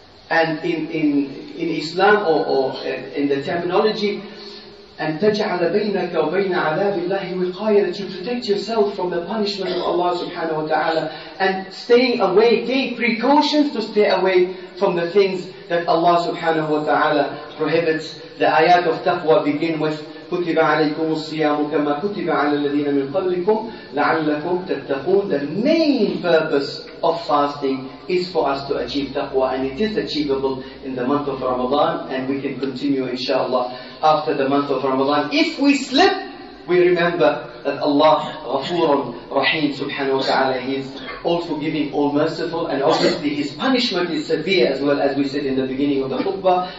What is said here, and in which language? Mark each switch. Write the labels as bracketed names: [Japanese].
[English] And in Islam or in the terminology, and [Arabic] تَجْعَلَ بَيْنَكَ وَبَيْنَ عَذَابِ اللَّهِ وِقَايَةً, [English] to protect yourself from the punishment of Allah subhanahu wa ta'ala, and staying away, take precautions to stay away from the things that Allah subhanahu wa ta'ala prohibits. The ayat of taqwa begin with [Arabic] كُتِبَ عَلَيْكُمُ الصِّيَامُ كَمَا كُتِبَ عَلَى الَّذِينَ مِنْ قَبْلِكُمْ لَعَلَّكُمْ تَتَّقُونَ. [English] The main purpose of fasting is for us to achieve taqwa, and it is achievable in the month of Ramadan, and we can continue inshallah after the month of Ramadan. If we slip, we remember that Allah Ghafurun Raheem subhanahu wa ta'ala, He is all forgiving, all merciful, and obviously His punishment is severe as well, as we said in the beginning of the khutbah.